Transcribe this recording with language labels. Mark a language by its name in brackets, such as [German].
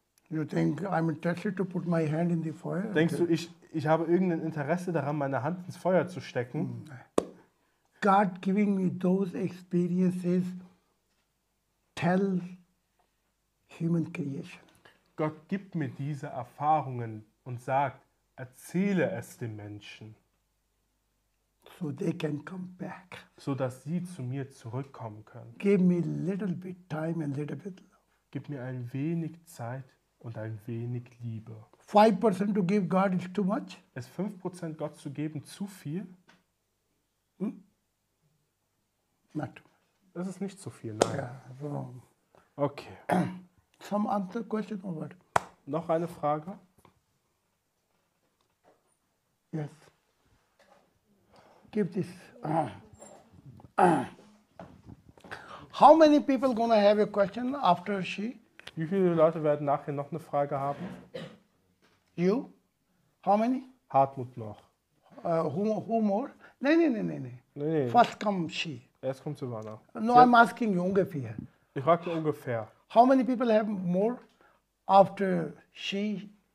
[English] You think I'm interested to put my hand in the fire? [German] Denkst du, ich habe irgendein Interesse daran, meine Hand ins Feuer zu stecken? Nein. [English] God giving me those experiences tell human creation. [German] Gott gibt mir diese Erfahrungen und sagt, erzähle es den Menschen. [English] So they can come back. [German] So dass sie zu mir zurückkommen können. [English] Give me a little bit time and a little bit love. [German] Gib mir ein wenig Zeit und ein wenig Liebe. [English] 5% to give God is too much? [German] Ist 5% Gott zu geben zu viel? [English] Not. [German] Das ist nicht zu viel, nein. Ja, wrong. [English] Okay. Some other question or what? [German] Noch eine Frage? [English] Yes. Give this. How many people gonna have a question after she? [German] Wie viele Leute werden nachher noch eine Frage haben? [English] You? How many? [German] Hartmut noch. [English] Who more? Nein. First comes she. [German] Erst kommt Silvana. [English] No, I'm asking you ungefähr. [German] Ich frage ungefähr. [English] How many people have more after she?